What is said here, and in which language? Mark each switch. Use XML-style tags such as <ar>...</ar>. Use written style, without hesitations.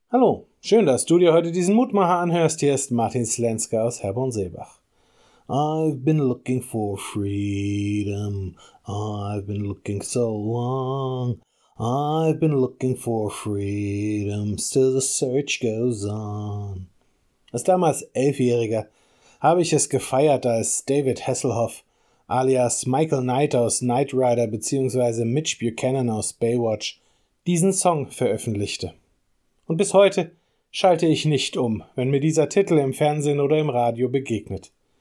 <de>Hallo, schön, dass du dir heute diesen Mutmacher anhörst. Hier ist Martin Slenska aus Herborn-Seebach.</de> <en>I've been looking for freedom. I've been looking so long. I've been looking for freedom. Still the search goes on.</en> <de>Als damals Elfjähriger habe ich es gefeiert, als David Hasselhoff alias Michael Knight aus Knight Rider bzw. Mitch Buchanan aus Baywatch diesen Song veröffentlichte. Und bis heute schalte ich nicht um, wenn mir dieser Titel im Fernsehen oder im Radio begegnet.</de>